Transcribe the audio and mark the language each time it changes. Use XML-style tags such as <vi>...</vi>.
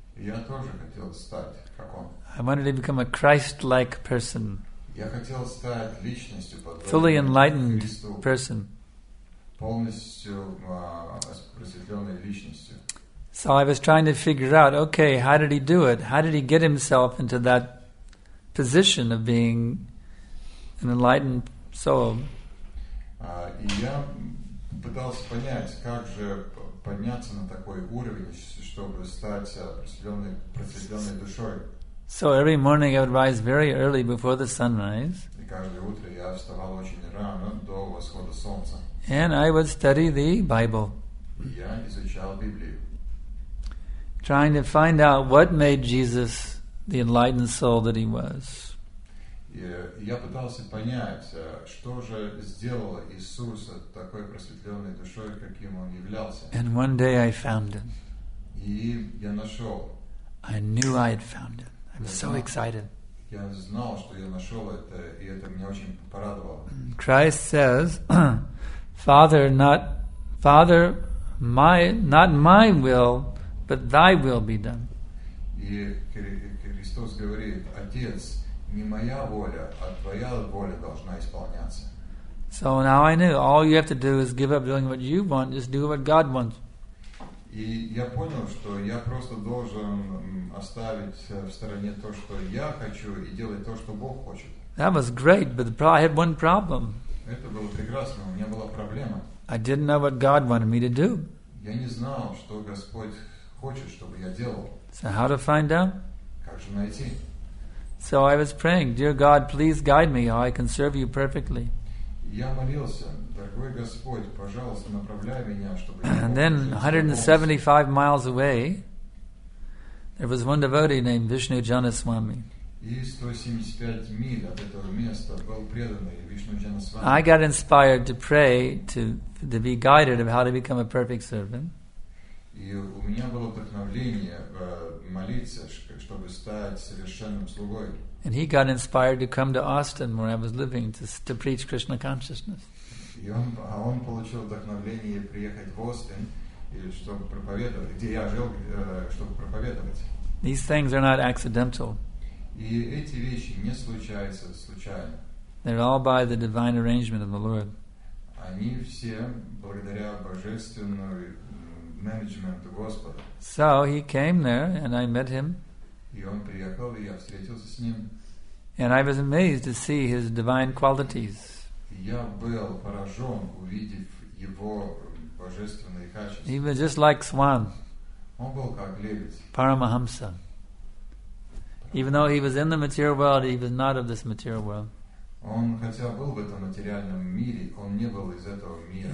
<ru>Я тоже хотел стать как он.</ru> <en>I wanted to become a Christ-like person.</en> <ru>Я хотел стать личностью подобной Христу.</ru> <en>Fully enlightened person.</en> <ru>Полностью просветленной личностью.</ru> <en>So I was trying to figure out, okay, how did he do it? How did he get himself into that position of being an enlightened soul?</en> <ru>Я пытался понять, как же подняться на такой уровень, чтобы стать просветленной душой.</ru> <en>So every morning I would rise very early before the sunrise.</en> <ru>И каждое утро я вставал очень рано до восхода солнца.</ru> <en>And I would study the Bible.</en> <ru>Я изучал Библию.</ru> <en>Trying to find out what made Jesus the enlightened soul that he was.</en> <ru>Я пытался понять, что же сделал Иисус такой просветленной душой, каким он являлся.</ru> <en>And one day I found him.</en> <ru>И я нашел.</ru> <en>I knew I had found him. I'm so excited.</en> <ru>Я знал, что я нашел это, и это меня очень порадовало.</ru> <en>Christ says, Father, not my will. But thy will be done.</en> <ru>И Христос говорит, Отец, не моя воля, а твоя воля должна исполняться.</ru> <en>So now I knew, all you have to do is give up doing what you want, just do what God wants.</en> <ru>И я понял, что я просто должен оставить в стороне то, что я хочу, и делать то, что Бог хочет.</ru> <en>That was great, but I had one problem.</en> <ru>Это было прекрасно, у меня была проблема.</ru> <en>I didn't know what God wanted me to do.</en> <ru>Я не знал, что Господь хочет, чтобы я делал.</ru> <en>So how to find out?</en> <ru>Как же найти?</ru> <en>So I was praying, dear God, please guide me, how I can serve you perfectly.</en> <ru>Я молился, дорогой Господь, пожалуйста, направляй меня, чтобы.</ru> <en>And then, 175 miles away, there was one devotee named Vishnu Janaswamy.</en> <ru>И 175 миль от этого места был преданный Вишну Джанасвами.</ru> <en>I got inspired to pray to be guided of how to become a perfect servant.</en> <ru>И у меня было вдохновение молиться, чтобы стать совершенным слугой.</ru> <en>And he got inspired to come to Austin, where I was living, to preach Krishna consciousness.</en> <ru>Он получил вдохновение приехать в Остин, чтобы проповедовать, где я жил, чтобы проповедовать.</ru> <en>These things are not accidental.</en> <ru>И эти вещи не случаются случайно.</ru> <en>They're all by the divine arrangement of the Lord.</en> <ru>Они все благодаря божественному</ru> <en>management to</en> <ru>Господа.</ru> <en>So he came there and I met him.</en> <ru>И он приехал, и я встретился с ним.</ru> <en>And I was amazed to see his divine qualities.</en> <ru>Я был поражен, увидев его божественные качества.</ru> <en>He was just like swan.</en> <ru>Он был как лебедь.</ru> <en>Paramahamsa. Even though he was in the material world, he was not of this material world.</en> <ru>Он хотя был в этом материальном мире, он не был из этого мира.</ru>